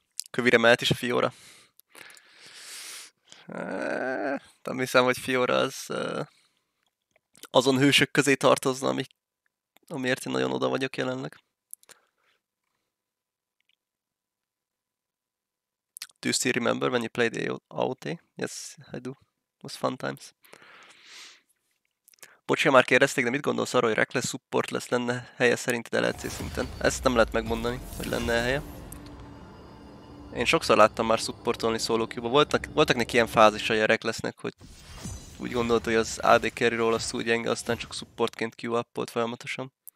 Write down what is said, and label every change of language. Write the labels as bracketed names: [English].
[Hungarian] Kövire mehet is a Fiora. Nem hiszem, hogy Fiora az azon hősök közé tartozna, amik amiért én nagyon oda vagyok jelenleg. [English] Do you still remember when you played AOT? Yes, I do. It was fun times. [Hungarian] Bocsia, már kérdezték, de mit gondolsz arról, hogy Reckless support lesz, lenne helye szerinted LEC szinten? Ezt nem lehet megmondani, hogy lenne helye. Én sokszor láttam már supportolni solo queue-ba. Voltak neki ilyen fázisai a Recklessnek, hogy úgy gondolt, hogy az AD carry roll az túl gyenge, aztán csak supportként queue-upolt folyamatosan.